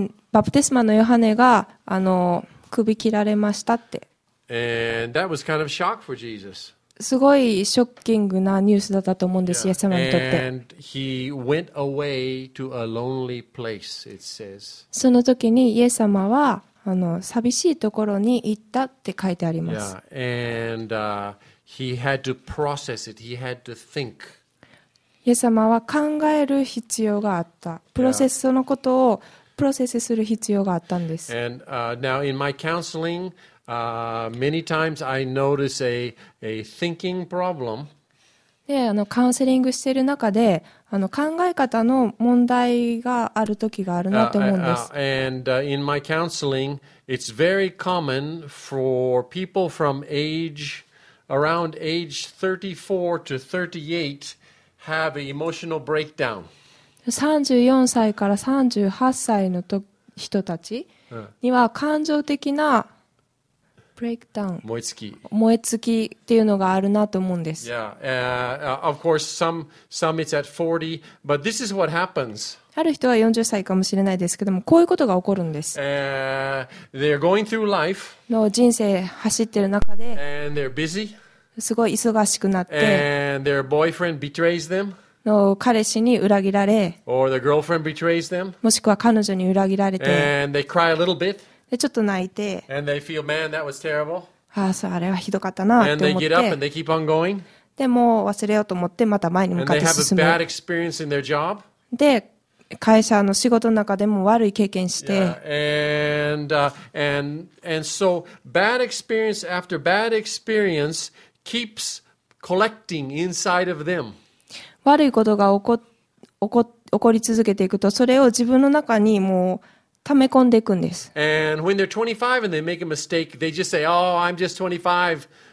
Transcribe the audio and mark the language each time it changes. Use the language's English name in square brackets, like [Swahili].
[Japanese] バプテスマのヨハネが首切られましたって。 [English] And that was kind of shock for Jesus. [Japanese] すごいショッキングなニュースだったと思うんです、 [English] yeah. [Japanese] イエス様にとって。 [English] And he went away to a lonely place, it says. [Japanese] その時にイエス様は寂しいところに行ったって書いてあります。 [English] Yeah. And, He had to process it. He had to think. [Japanese] イイエス様は考える必要があった。プロセスそのことをプロセスする必要があったんです。 [English] And, now in my counseling, many times I notice a thinking problem. [Japanese] で、カウンセリングしている中で、考え方の問題があるときがあるなと思うんです。 [English] And, in my counseling, it's very common for people from around age 34 to 38 have an emotional breakdown. [Japanese] 34歳から38歳の人たちには感情的なブレイクダウン、燃え尽きっていうのがあるなと思うんです。 [English] Of course, some it's at 40, but this is what happens. [Japanese] ある人は40歳かもしれないですけども、こういうことが起こるんです。 [English] They're going through life. [Japanese] の人生走ってる中で、 [English] and they're busy. [Japanese] すごい忙しくなって、 [English] and their boyfriend betrays them. [Japanese] の彼氏に裏切られ、 [English] or their girlfriend betrays them. [Japanese] もしくは彼女に裏切られて、 [English] and they cry a little bit. [Japanese] でちょっと泣いて、 [English] and they feel, man, that was terrible. [Japanese] あれはひどかったなって思って、 [English] and they get up and they keep on going. [Japanese] でも忘れようと思ってまた前に向かって進む。 [English] And they have a bad experience in their job. [Japanese] で会社の仕事の中でも悪い経験して、 [English] and so bad experience after bad experience keeps collecting inside of them. [Japanese] 悪いことが起こり続けていくと、それを自分の中にもう溜め込んでいくんです。 [English] And when they're 25 and they make a mistake, they just say, "Oh, I'm just 25."